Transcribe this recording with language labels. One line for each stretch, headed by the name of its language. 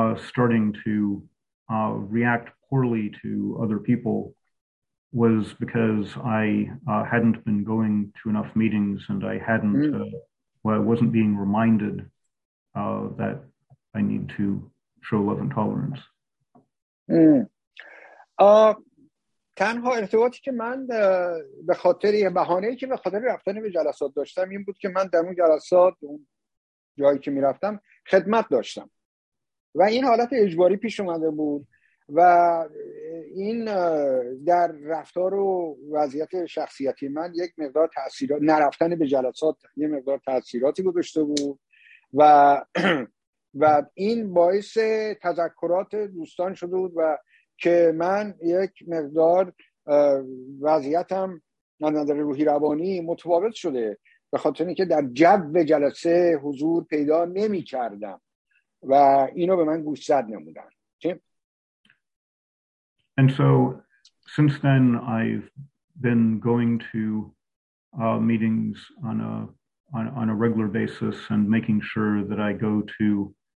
English: starting to react poorly to other people was because I hadn't been going to enough meetings, and I hadn't I wasn't being reminded that I need to show love and tolerance.
Persian: تنها ارتباطی که من به خاطر یه بهانه‌ای که به خاطر رفتن به جلسات داشتم این بود که من در اون جلسات، اون جایی که می‌رفتم، خدمت داشتم و این حالت اجباری پیش اومده بود و این در رفتار و وضعیت شخصیتی من یک مقدار تأثیرات، نرفتن به جلسات یه مقدار تأثیراتی گذاشته بود و این باعث تذکرات دوستان شده بود و که من یک مقدار وضعیتم نظر روحی روانی متفاوت شده به خاطر اینکه در جو جلسه حضور پیدا نمی کردم و اینو به من گوش زد نمودن.
English: And so since then I've been going to meetings on a regular basis and making sure that I go to